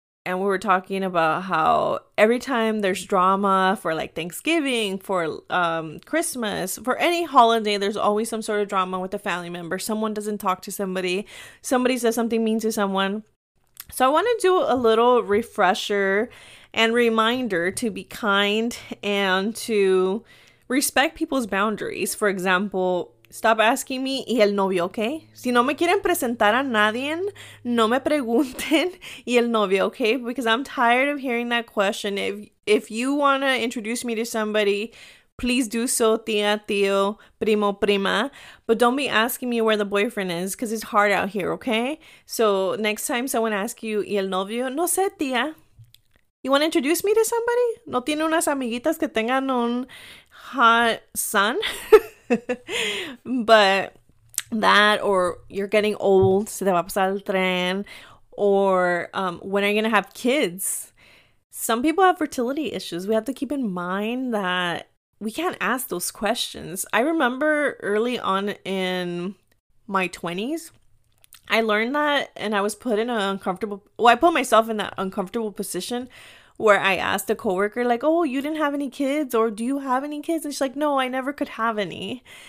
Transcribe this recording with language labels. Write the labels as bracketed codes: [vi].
[en] And we were talking about how every time there's drama for like Thanksgiving, for Christmas, for any holiday, there's always some sort of drama with a family member. Someone doesn't talk to somebody. Somebody says something mean to someone. So I want to do a little refresher and reminder to be kind and to respect people's boundaries. For example, stop asking me, [es] ¿y el novio qué? Si no me quieren presentar a nadie, no me pregunten, ¿y el novio qué? [en] Because I'm tired of hearing that question. If you want to introduce me to somebody, please do so, [es] tía, tío, primo, prima. [en] But don't be asking me where the boyfriend is, because it's hard out here, okay? So next time someone asks you, [es] ¿y el novio? No sé, tía. [en] You want to introduce me to somebody? [es] ¿No tiene unas amiguitas que tengan un [en] hot son? But that, or you're getting old, [es] se te va a pasar el tren, [en] or when are you gonna have kids? Some people have fertility issues. We have to keep in mind that we can't ask those questions. I remember early on in my 20s, I learned that, and I was put in an uncomfortable, I put myself in that uncomfortable position where I asked a coworker, like, oh, you didn't have any kids, or do you have any kids? And she's like, no, I never could have any.